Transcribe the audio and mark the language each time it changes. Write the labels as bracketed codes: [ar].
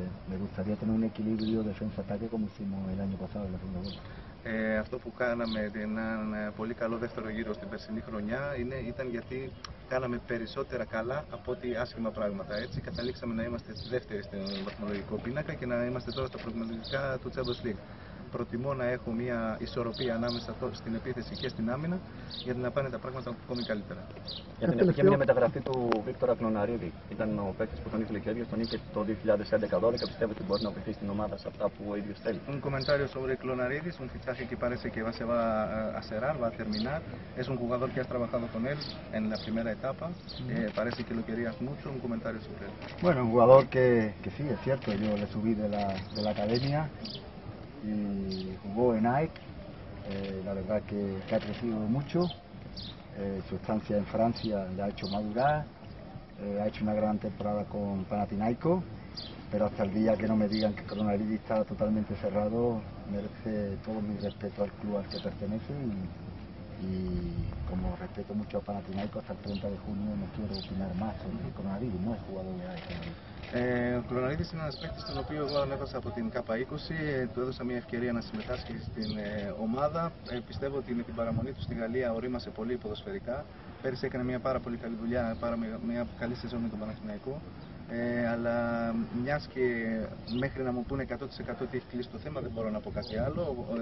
[es] Me gustaría tener un equilibrio defensa-ataque como hicimos el año pasado en la segunda vuelta. [el] Αυτό που κάναμε έναν πολύ καλό δεύτερο γύρο στην περσινή χρονιά είναι, ήταν γιατί κάναμε περισσότερα καλά από ό,τι άσχημα πράγματα. Έτσι, καταλήξαμε να είμαστε δεύτεροι στον βαθμολογικό πίνακα και να είμαστε τώρα στα προβληματικά του Champions League. Προτιμώ να έχω μια ισορροπία ανάμεσα στην επίθεση και στην άμυνα για να πάνε τα πράγματα ακόμη καλύτερα. Για την επιτυχία μια μεταγραφή του Βίκτορα Κνοναρίδη. Ήταν ο παίκτης που τον ήθελε και ο ίδιος, τον είχε το 2011-12. Πιστεύω ότι μπορεί να βοηθήσει στην ομάδα σε αυτά που ο ίδιος θέλει. [es] Un comentario sobre Clonaridi, un fichaje que parece que va a cerrar, va a terminar. Es un jugador que has trabajado con él en la primera etapa. Parece que lo querías mucho. Un comentario sobre él. Bueno, un jugador que sí, es cierto, yo le subí de la academia. Y jugó en AEK, la verdad que ha crecido mucho, su estancia en Francia le ha hecho madurar, ha hecho una gran temporada con Panathinaiko, pero hasta el día que no me digan que Clonaridi está totalmente cerrado, merece todo mi respeto al club al que pertenece y como respeto mucho a Panathinaiko, hasta el 30 de junio no quiero opinar más sobre Clonaridi, no es jugador de AEK. [el] Ο Κλωναρίδης είναι ένας παίκτης τον οποίο εγώ ανέβασα από την K20, του έδωσα μια ευκαιρία να συμμετάσχει στην ομάδα. Πιστεύω ότι με την παραμονή του στη Γαλλία ορίμασε πολύ ποδοσφαιρικά. Πέρυσι έκανε μια πάρα πολύ καλή δουλειά, μια καλή σεζόν με τον Παναθηναϊκό. Αλλά μιας και μέχρι να μου πούνε 100% ότι έχει κλείσει το θέμα δεν μπορώ να πω κάτι άλλο.